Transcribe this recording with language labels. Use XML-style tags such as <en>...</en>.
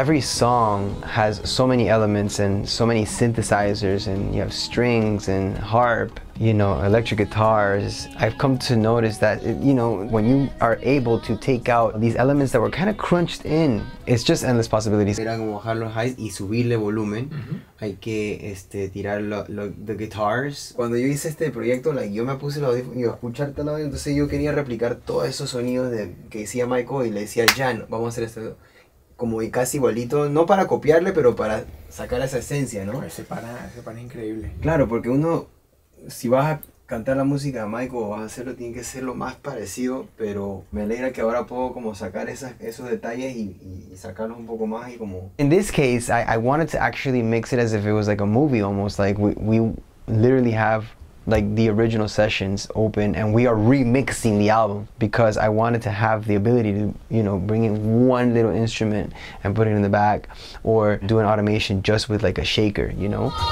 <en>Every song has so many elements and so many synthesizers, and you have strings and harp, you know, electric guitars. I've come to notice that, you know, when you are able to take out these elements that were kind of crunched in, it's just endless possibilities.</en> <es>Era como bajar los highs y subirle volumen. Hay que tirar the guitars. Cuando yo hice este proyecto, like, yo me puse los audífonos y iba a escuchar tan audio, entonces yo quería replicar todos esos sonidos que decía Michael y le decía, Jan, vamos a hacer esto como casi igualito, no para copiarle, pero para sacar esa esencia, ¿no? Se para increíble. Claro, porque uno... Si vas a cantar la música de Michael o vas a hacerlo, tiene que ser lo más parecido, pero me alegra que ahora puedo como sacar esos detalles y sacarlos un poco más y como...</es> <en>In this case, I wanted to actually mix it as if it was like a movie almost, like we literally have like the original sessions open and we are remixing the album because I wanted to have the ability to, you know, bring in one little instrument and put it in the back or do an automation just with like a shaker, you know?</en>